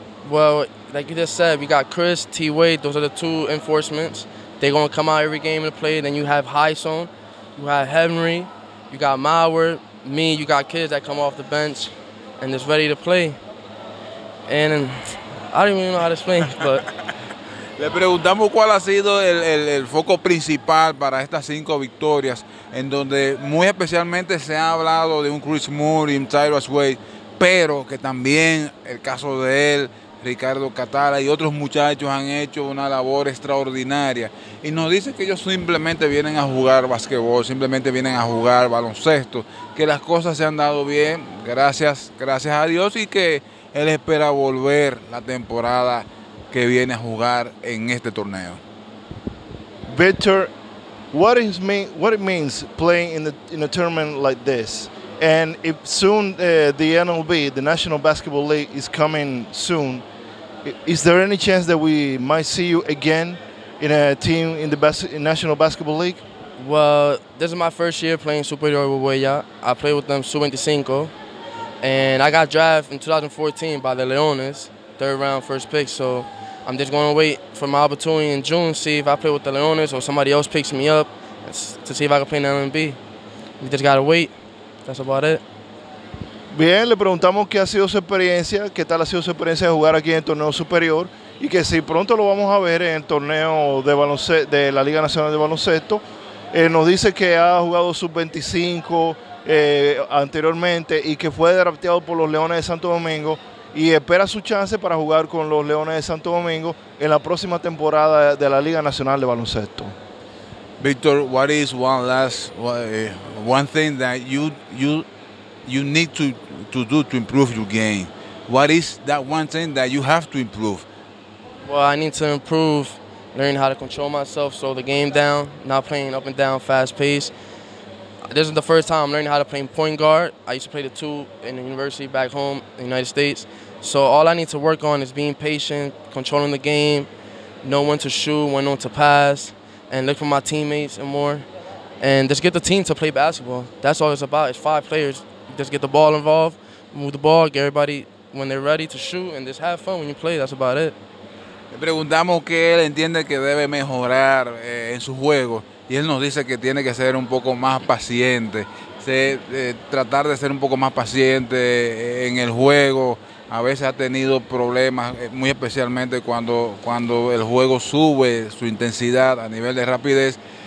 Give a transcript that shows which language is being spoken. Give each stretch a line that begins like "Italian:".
English: Well, like you just said, we got Chris, T. Wade, those are the two enforcements. They're going to come out every game and play. Then you have Heisson, you have Henry, you got Mauer, me, you got kids that come off the bench and is ready to play. And I don't even know how to explain, but...
Spanish: Le preguntamos cuál ha sido el foco principal para estas cinco victorias, en donde muy especialmente se ha hablado de un Chris Moore y un Tyrese Wade, pero que también el caso de él, Ricardo Catala y otros muchachos han hecho una labor extraordinaria. Y nos dice que ellos simplemente vienen a jugar basquetbol, simplemente vienen a jugar baloncesto, que las cosas se han dado bien, gracias a Dios, y que él espera volver la temporada que viene a jugar en este torneo.
English: Victor, what it means playing in a tournament like this? And if soon the NLB, the National Basketball League, is coming soon, is there any chance that we might see you again in a team in the National Basketball League? Well, this is my first year playing Superior with Huellas. I played with them Sub-25, and I got drafted in 2014 by the Leones, third round, first pick. So I'm just going to wait for my opportunity in June, see if I play with the Leones or somebody else picks me up to see if I can play in the NLB. We just got to wait. That's about it.
Spanish: Bien, le preguntamos qué ha sido su experiencia, qué tal ha sido su experiencia de jugar aquí en el torneo superior, y que si pronto lo vamos a ver en el torneo de la Liga Nacional de Baloncesto. Nos dice que ha jugado Sub-25 anteriormente y que fue drafteado por los Leones de Santo Domingo, y espera su chance para jugar con los Leones de Santo Domingo en la próxima temporada de la Liga Nacional de Baloncesto.
English: Victor, what is one thing that you need to do to improve your game? What is that one thing that you have to improve? Well, I need to improve learning how to control myself, slow the game down, not playing up and down, fast pace. This is the first time I'm learning how to play point guard. I used to play the two in the university back home in the United States. So all I need to work on is being patient, controlling the game, know when to shoot, when not to pass, and look for my teammates and more. And just get the team to play basketball. That's all it's about. It's five players. Just get the ball involved, move the ball, get everybody when they're ready to shoot, and just have fun when you play. That's about it.
Spanish: Le preguntamos qué él entiende que debe mejorar en su juego. Y él nos dice que tiene que ser un poco más paciente. Tratar de ser un poco más paciente en el juego. A veces ha tenido problemas, muy especialmente cuando el juego sube su intensidad a nivel de rapidez.